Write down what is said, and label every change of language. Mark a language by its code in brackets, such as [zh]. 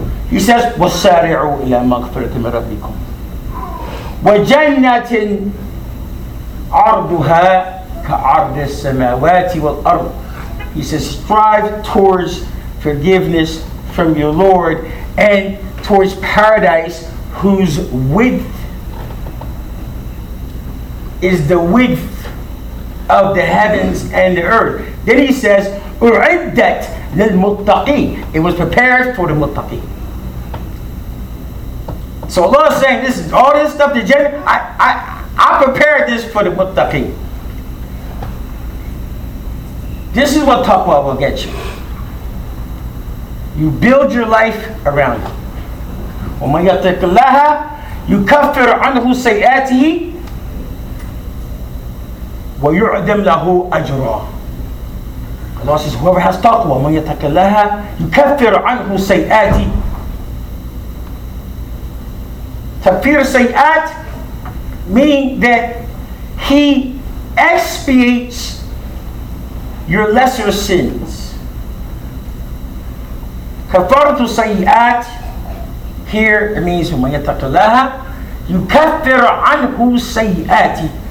[en] He says, [ar] وَسَارِعُوا إِلَى مَغْفِرَةٍ مِنْ رَبِّكُمْ وَجَنَّةٍ عَرْضُهَا كَعَرْضِ السَّمَاوَاتِ وَالْأَرْضِ. [en] He says, strive towards forgiveness from your Lord and towards paradise whose width is the width of the heavens and the earth. Then he says, [ar] أُعِدَّتْ لِلْمُتَّقِينَ. [en] It was prepared for the muttaqi. So Allah is saying, this is all this stuff, I prepared this for the muttaqi. This is what taqwa will get you. You build your life around it. [ar] وَمَنْ يَتَّقِ اللَّهَ يُكَفِّرْ عَنْهُ سَيْئَاتِهِ وَيُعْدِمْ لَهُ أَجْرًا. [en] Allah says, whoever has taqwa, [ar] مَنْ يَتَّقِ اللَّهَ يُكَفِّرْ عَنْهُ سَيْئَاتِهِ. [en] Kafir Sayyat mean that he expiates your lesser sins. Kafartu Sayyat here it means when you talk to Allah, you kafir anhu Sayyat.